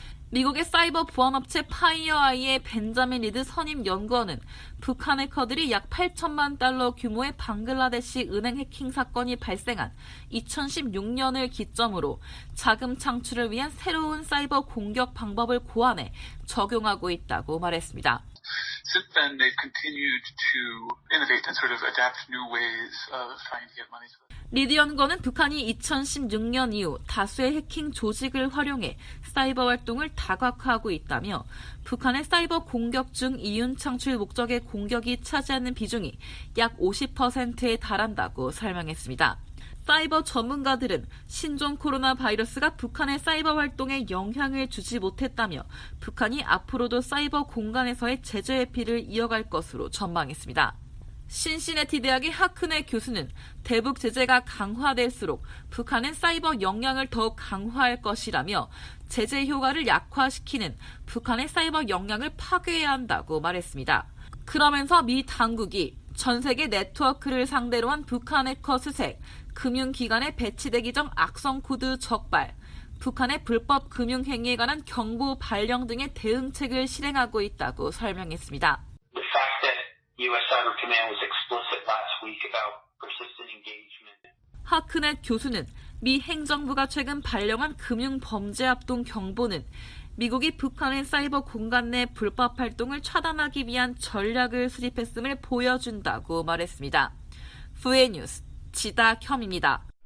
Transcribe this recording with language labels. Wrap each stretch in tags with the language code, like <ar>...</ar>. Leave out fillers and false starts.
<ko>미국의 사이버 보안업체 파이어아이의 벤자민 리드 선임 연구원은 북한 해커들이 약 8천만 달러 규모의 방글라데시 은행 해킹 사건이 발생한 2016년을 기점으로 자금 창출을 위한 새로운 사이버 공격 방법을 고안해 적용하고 있다고 말했습니다.</ko> <en>Since then, they've continued to innovate and sort of adapt new ways of trying to get money.</en> <ko>리드 연구원은 북한이 2016년 이후 다수의 해킹 조직을 활용해 사이버 활동을 다각화하고 있다며 북한의 사이버 공격 중 이윤 창출 목적의 공격이 차지하는 비중이 약 50%에 달한다고 설명했습니다. 사이버 전문가들은 신종 코로나 바이러스가 북한의 사이버 활동에 영향을 주지 못했다며 북한이 앞으로도 사이버 공간에서의 제재 회피를 이어갈 것으로 전망했습니다. 신시내티 대학의 하크네 교수는 대북 제재가 강화될수록 북한은 사이버 역량을 더욱 강화할 것이라며 제재 효과를 약화시키는 북한의 사이버 역량을 파괴해야 한다고 말했습니다. 그러면서 미 당국이 전 세계 네트워크를 상대로 한 북한 해커 수색, 금융기관에 배치되기 전 악성 코드 적발, 북한의 불법 금융행위에 관한 경보 발령 등의 대응책을 실행하고 있다고 설명했습니다.</ko> <en>The fact that U.S. Cyber Command was explicit last week about persistent engagement.</en> <ko>하크넷 교수는 미 행정부가 최근 발령한 금융범죄합동 경보는 미국이 북한의 사이버 공간 내 불법 활동을 차단하기 위한 전략을 수립했음을 보여준다고 말했습니다. 후에뉴스 지다켬입니다.</ko>